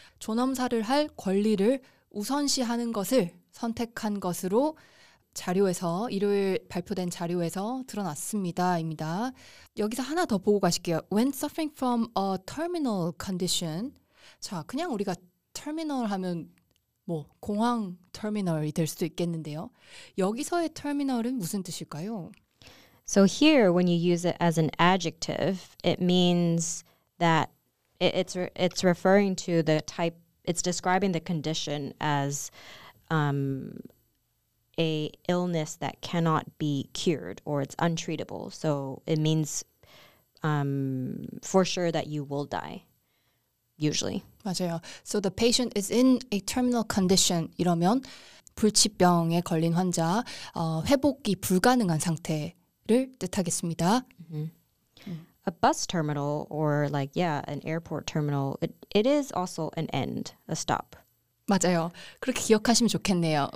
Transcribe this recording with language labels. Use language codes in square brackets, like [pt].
[ko] 존엄사를 할 권리를 우선시하는 것을 선택한 것으로 자료에서 일요일 발표된 자료에서 드러났습니다입니다. 여기서 하나 더 보고 가실게요. [en] When suffering from a terminal condition, [ko] 자 그냥 우리가 terminal 하면 뭐 공항 터미널이 될 수도 있겠는데요. 여기서의 터미널은 무슨 뜻일까요? [en] So here, when you use it as an adjective, it means that it's referring to the type. It's describing the condition as a illness that cannot be cured or it's untreatable. So it means for sure that you will die. Usually. [ko] 맞아요. [en] So the patient is in a terminal condition. [ko] 이러면 불치병에 걸린 환자, 회복이 불가능한 상태를 뜻하겠습니다. [en] A bus terminal or like, yeah, an airport terminal, it is also an end, a stop. [ko] 맞아요. 그렇게 기억하시면 좋겠네요.